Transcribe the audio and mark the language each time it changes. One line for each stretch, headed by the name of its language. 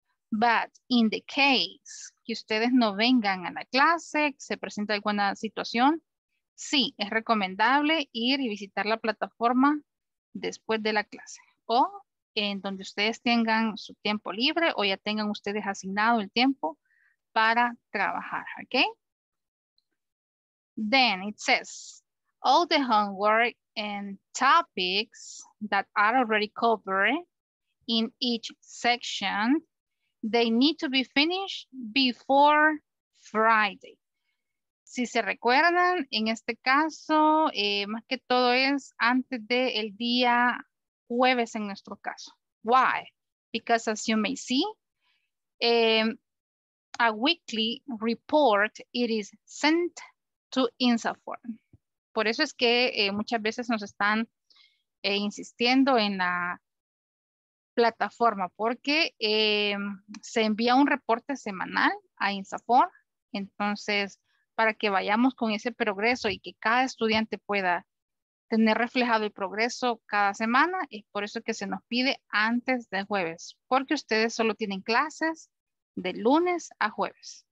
English: But in the case
Spanish: que ustedes no vengan a la clase, que se presente alguna situación, sí, es recomendable ir y visitar la plataforma después de la clase. O en donde ustedes tengan su tiempo libre o ya tengan ustedes asignado el tiempo para trabajar, ¿ok?
English: Then it says, all the homework and topics that are already covered in each section, they need to be finished before Friday.
Spanish: Si se recuerdan, en este caso, más que todo es antes del día jueves en nuestro caso.
English: Why? Because as you may see, a weekly report, it is sent to INSAFORP.
Spanish: Por eso es que muchas veces nos están insistiendo en la plataforma, porque se envía un reporte semanal a INSAFORP. Entonces, para que vayamos con ese progreso y que cada estudiante pueda tener reflejado el progreso cada semana, es por eso que se nos pide antes del jueves, porque ustedes solo tienen clases de lunes a jueves.